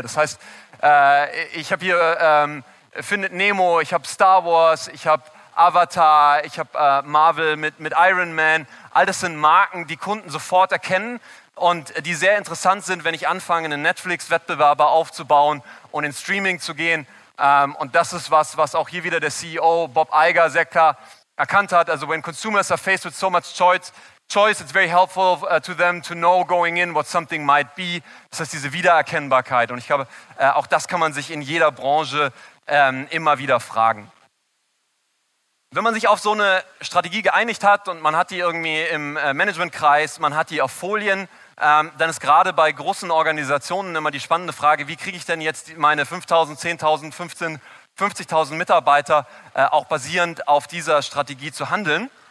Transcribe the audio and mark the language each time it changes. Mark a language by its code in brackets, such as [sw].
[de] Das heißt, ich habe hier Findet Nemo, ich habe Star Wars, ich habe Avatar, ich habe Marvel mit Iron Man. All das sind Marken, die Kunden sofort erkennen und die sehr interessant sind, wenn ich anfange, einen Netflix-Wettbewerber aufzubauen und in Streaming zu gehen. Und das ist was auch hier wieder der CEO Bob Iger sehr klar erkannt hat. [en] Also, when consumers are faced with so much choice, it's very helpful to them to know going in what something might be. [de] Das heißt, diese Wiedererkennbarkeit. Und ich glaube, auch das kann man sich in jeder Branche immer wieder fragen. Wenn man sich auf so eine Strategie geeinigt hat und man hat die irgendwie im Managementkreis, man hat die auf Folien, dann ist gerade bei großen Organisationen immer die spannende Frage, wie kriege ich denn jetzt meine 5.000, 10.000, 15.000, 50.000 Mitarbeiter auch basierend auf dieser Strategie zu handeln?